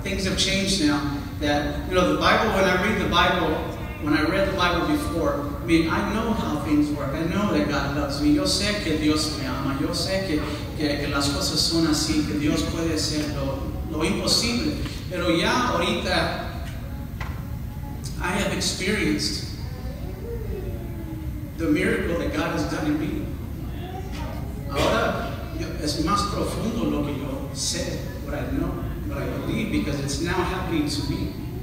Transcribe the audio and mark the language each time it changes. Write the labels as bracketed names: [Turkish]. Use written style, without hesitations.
[English] Things have changed now that, you know, the Bible, when I read the Bible before, I mean, I know how things work. I know that God loves me. [Spanish] Yo sé que Dios me ama. Yo sé que las cosas son así, que Dios puede hacer lo imposible. Pero ya ahorita, [English] I have experienced the miracle that God has done in me. [Spanish] Ahora, es más profundo lo que yo sé, [English] what I know. But I believe because it's now happening to me.